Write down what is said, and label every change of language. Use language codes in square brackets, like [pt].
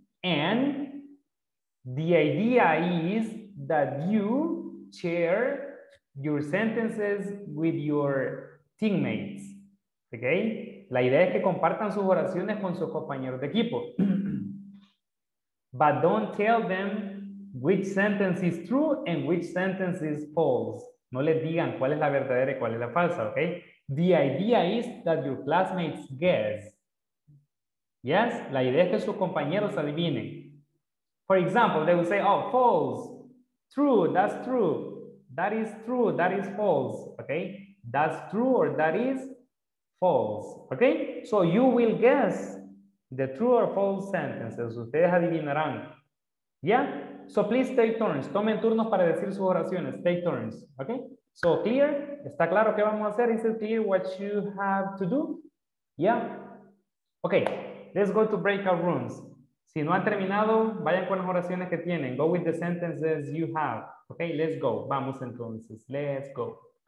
[en] And the idea is that you share your sentences with your teammates. [es] Okay, la idea es que compartan sus oraciones con sus compañeros de equipo. [en] But don't tell them which sentence is true and which sentence is false. [es] No les digan cuál es la verdadera y cuál es la falsa, ¿ok? [en] The idea is that your classmates guess. Yes, [es] la idea es que sus compañeros adivinen. [en] For example, they will say, oh, false, true, that is false, okay? That's true or that is false, okay? So you will guess the true or false sentences. [es] Ustedes adivinarán, [en] yeah? So please take turns. [es] Tomen turnos para decir sus oraciones. [en] Take turns, okay? So clear? [es] ¿Está claro qué vamos a hacer? [en] Is it clear what you have to do? Yeah? Okay, let's go to breakout rooms. [es] Si no han terminado, vayan con las oraciones que tienen. [en] Go with the sentences you have. Okay, let's go. [es] Vamos entonces. [en] Let's go.